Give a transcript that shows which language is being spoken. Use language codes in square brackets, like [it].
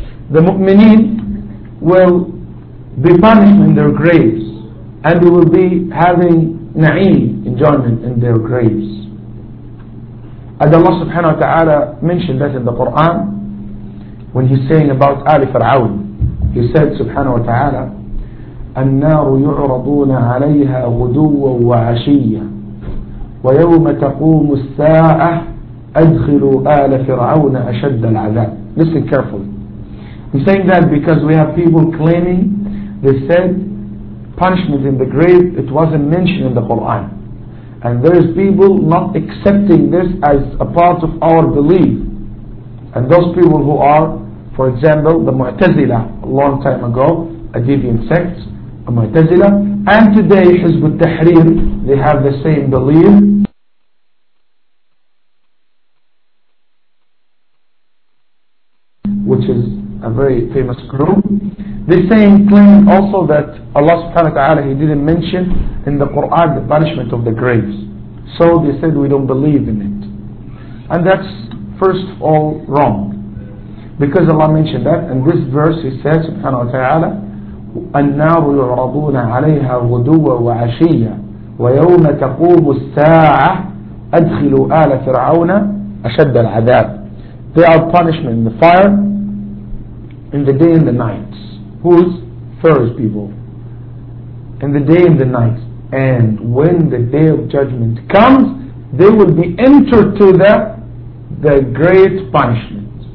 [en] The mu'mineen will be punished in their graves. And they will be having na'im, enjoyment in their graves. And Allah subhanahu wa ta'ala mentioned that in the Quran when he's saying about Ali Fir'aun. He said [ar] subhanahu wa ta'ala, النَّارُ يُعْرَضُونَ عَلَيْهَا غُدُوًا وَعَشِيًّا وَيَوْمَ تَقُومُ السَّاعَةَ أَدْخِلُوا آلَ فِرْعَوْنَ أَشَدَّ الْعَذَابِ. [en] Listen carefully. He's saying that because we have people claiming, they said punishment in the grave, it wasn't mentioned in the Quran. And there is people not accepting this as a part of our belief. And those people who are, for example, the Mu'tazila, a long time ago, a deviant sect, a Mu'tazila, and today Hizb al-Tahrir, they have the same belief. Which is a very famous group. The same claim also that Allah subhanahu wa ta'ala, He didn't mention in the Quran the punishment of the graves. So they said we don't believe in it. And that's first of all wrong. Because Allah mentioned that, and this verse He says [ar] subhanahu wa ta'ala, النَّارُ يُعْرَضُونَ عَلَيْهَا غُدُوَّ وَعَشِيَّ وَيَوْمَ تَقُومُ السَّاعَةَ أَدْخِلُوا آلَ فِرْعَوْنَ أَشَدَّ الْعَذَابِ. [en] They are punishment in the fire, in the day and the night. Who's first people? In the day and the night. And when the day of judgment comes, they will be entered to the great punishment.